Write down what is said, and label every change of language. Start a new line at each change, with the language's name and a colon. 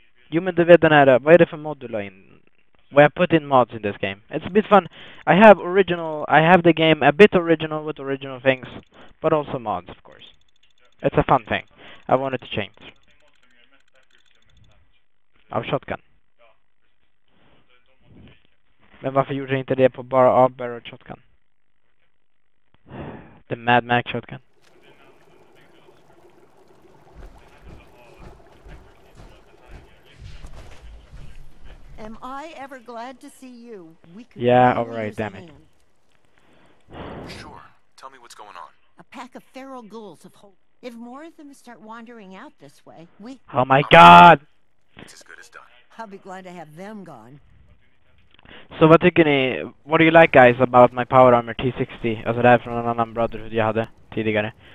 Swedish: Jo, men du vet den här, vad är det för mod du la in?
English: Where I put in mods in this game. It's a bit fun. I have original, I have the game a bit original with original things. But also mods, of course. Yeah. It's a fun thing. I wanted to change.
Swedish: Av shotgun. Ja. Men varför gjorde du inte det på bara av barrel shotgun?
English: The Mad Max shotgun. Am I ever glad to see you? We could yeah, really all right, damn it. Sure. Tell me what's going on. A pack of feral ghouls have hold. If more of them start wandering out this way, we... Oh my god! It's as good as done. I'll be glad to have them gone. So what do you think, what do you like, guys, about my power armor T60?
Swedish: Alltså det här från en annan brotherhood jag hade tidigare.